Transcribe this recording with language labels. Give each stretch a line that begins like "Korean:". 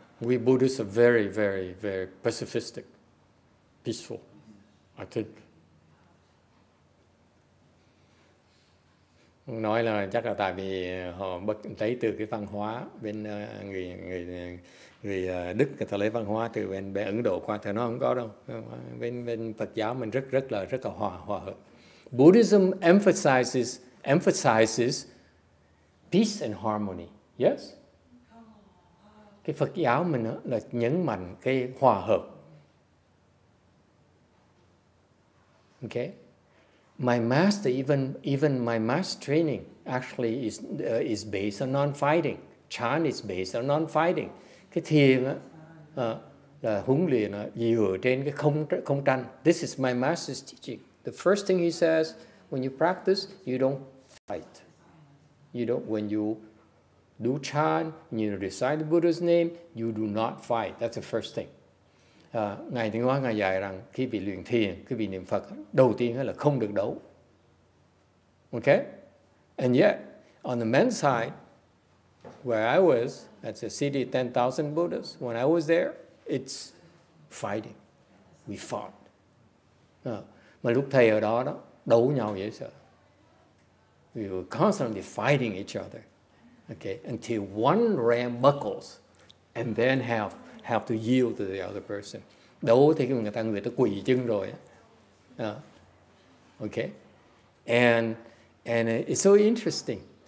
English: We Buddhists are very, very, very pacifistic, peaceful, I think.
Vietnamese: Nói là chắc là tại vì họ bất lấy từ cái văn hóa bên người người người Đức, người ta lấy văn hóa từ bên Ấn Độ qua, thì nó không có đâu. Bên Phật giáo mình rất là hòa hợp.
English: Buddhism emphasizes peace and harmony. Yes.
Vietnamese: Cái Phật giáo mình là nhấn mạnh cái hòa hợp. Okay.
English: My master, even my master training actually is based on non-fighting. Chan is based on non-fighting.
Vietnamese: Cái thiền á, là huấn luyện á, dựa trên cái không tranh.
English: This is my master's teaching. The first thing he says, when you practice, you don't fight. You don't, when you do chan, you recite the Buddha's name, you do not fight. That's the first thing.
Vietnamese: Ngài Tiếng Hóa Ngài dạy rằng khi bị luyện thiền, khi bị niệm Phật, đầu tiên là không được đấu.
English: Okay? And yet, on the men's side, where I was, that's a city of 10,000 Buddhas, when I was there, it's fighting. We fought.
Vietnamese: Mà lúc thầy ở đó đó, đấu nhau dễ sợ.
English: We were constantly fighting each other. Okay, until one ram buckles and then have to yield to the other person.
Vietnamese: Đấu thì người ta quỳ chân rồi.
English: Okay? And it's so interesting.